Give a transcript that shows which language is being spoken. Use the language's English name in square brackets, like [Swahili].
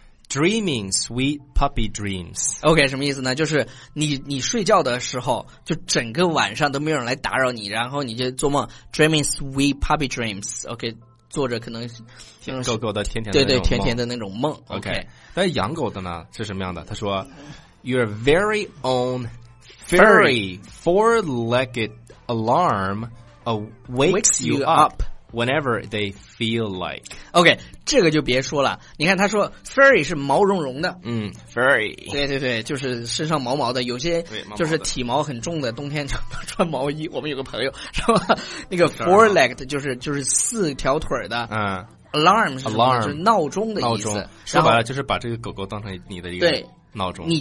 [English] dreaming sweet puppy dreams。 [Chinese] OK， 什么意思呢？就是你睡觉的时候就整个晚上都没有人来打扰你，然后你就做梦 [English] dreaming sweet puppy dreams。 [Chinese] OK， 做着可能狗狗的甜甜的，对对，甜甜的那种梦。 OK， 那养狗的呢是什么样的？他说 [English] your very own furry four legged alarm wakes you up whenever they feel like。 [Chinese] OK， 这个就别说了，你看他说 furry 是毛茸茸的， [English] furry， [Chinese] 对对对，就是身上毛毛的，有些就是体毛很重的，冬天就穿毛衣，我们有个朋友是吧，那个 four legged 就是四条腿的，嗯， [English] alarm [Chinese] 是 [English] alarm [Chinese] 是闹钟的意思，闹钟说白了就是把这个狗狗当成你的一个闹钟。